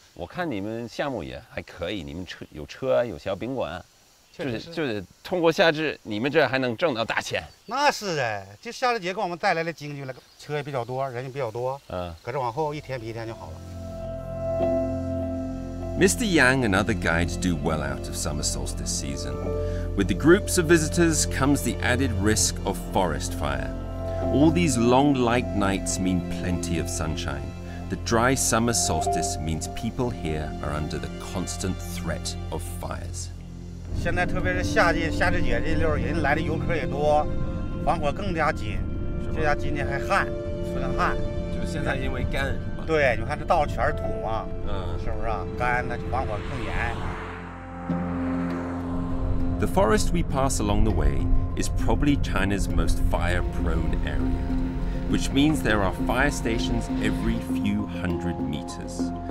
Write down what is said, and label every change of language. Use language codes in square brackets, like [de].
[zh] 我看你们项目也还可以，你们车有车有小宾馆，就是通过夏至，你们这还能挣到大钱。那是的，就夏至节给我们带来的经济了。车也比较多，人也比较多，可是往后一天比一天就好了。 [en] Mr. Yang and other guides do well out of summer solstice season. With the groups of visitors comes the added risk of forest fire. All these long light nights mean plenty of sunshine. The dry summer solstice means people here are under the constant threat of fires. [zh] 现在特别是夏至节这溜人来的游客也多，防火更加紧。这家今天还旱，出了汗，就现在因为干。对，你看这道全是土嘛，是不是啊？干，那就防火更严。 [en] The forest we pass along the way is probably China's most fire-prone area, which means there are fire stations every few hundred meters.